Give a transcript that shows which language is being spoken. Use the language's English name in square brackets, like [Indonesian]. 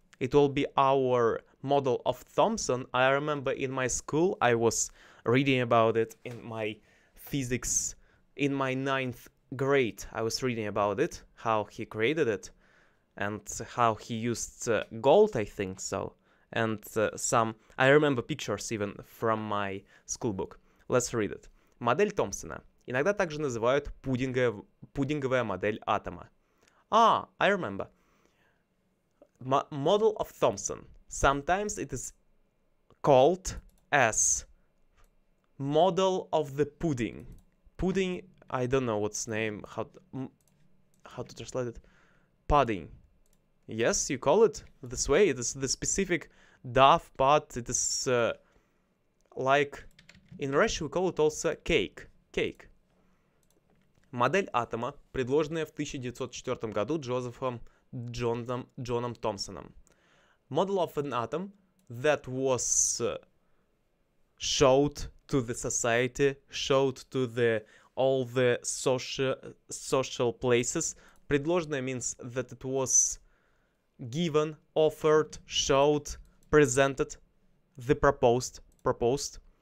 [English] It will be our model of Thompson. I remember in my school I was reading about it in my physics in my ninth grade. I was reading about it, how he created it and how he used gold, I think so. And some I remember pictures even from my school book. Let's read it. [Russian] Модель Томпсона. Иногда также называют пудинговая модель атома. [English] Ah, I remember. Model of Thompson. Sometimes it is called as model of the pudding. Pudding, I don't know what's name, how to translate it. Pudding. Yes, you call it this way. It is the specific dove pot. It is like... In Russia we call it also cake. Cake. [Russian] Модель атома, предложенная в 1904 году Джозефом Джоном Томпсоном. [English] Model of an atom that was showed to the society, showed to the all the social places. Предложенная means that it was given, offered, showed, presented, the proposed.